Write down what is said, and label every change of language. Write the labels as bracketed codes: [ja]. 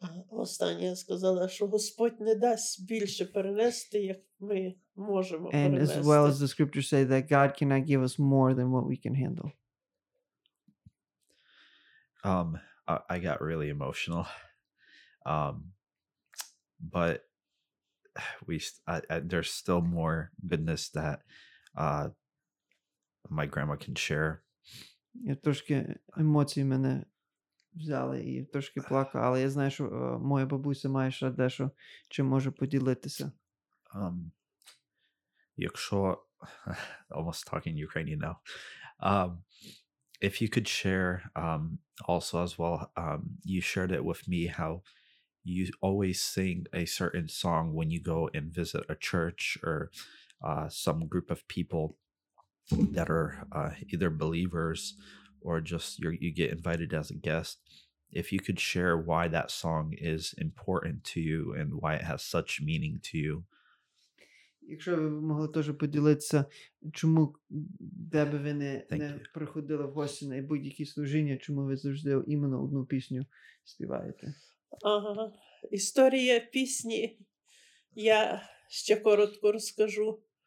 [uk] Останнє я сказала, що Господь не дасть більше перенести, як ми можемо перенести. [en] And as well as the scriptures say that God cannot give us more than what we can handle. I got really emotional. But there's still more goodness that my grandma can share. [uk] Я трошки емоції мене взяли і трошки плакала, але я знаю, що моя бабуся має ще дещо, чим може поділитися. Якщо [en] almost talking Ukrainian now. If you could share also as well, you shared it with me how you always sing a certain song when you go and visit a church or some group of people that are either believers or just you get invited as a guest. If you could share why that song is important to you and why it has such meaning to you. [uk] Якщо ви могли теж поділитися, чому, де би ви не приходили в гості на будь-які служіння, чому ви завжди іменно одну пісню співаєте? Ага. Історія пісні я ще коротко розкажу.